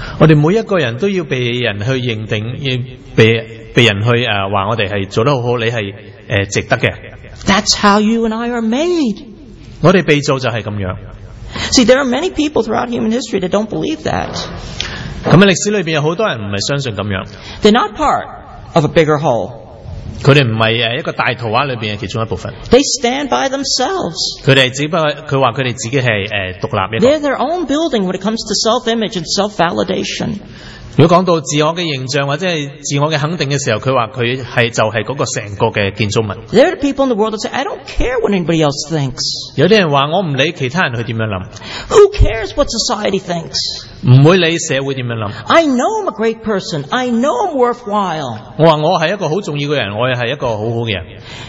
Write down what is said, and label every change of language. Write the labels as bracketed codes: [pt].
[yue] 我哋每一個人都要被人去認定，要被人去話我哋係做得好好，你係值得嘅。 [en] That's how you and I are made. [yue] 我哋被造就係咁樣。 [en] See, there are many people throughout human history that don't believe that. [yue] 咁喺歷史裏邊有好多人唔係相信咁樣。 [en] They're not part of a bigger whole. [yue] 佢哋唔係一個大圖畫裏邊嘅其中一部分。 [en] They stand by themselves. [yue] 佢哋只不過佢話佢哋自己係獨立一個。 [en] They're their own building when it comes to self-image and self-validation. [yue] 如果講到自我嘅形象或者係自我嘅肯定嘅時候，佢話佢係就係嗰個成個嘅建築物。 [en] There are people in the world that say, I don't care what anybody else thinks. [yue] 有啲人話我唔理其他人去點樣諗。 [en] Who cares what society thinks? [yue] 唔會理社會點樣諗。 [en] I know I'm a great person. I know I'm worthwhile. [yue] 我話我係一個好重要嘅人，我係一個好好嘅人。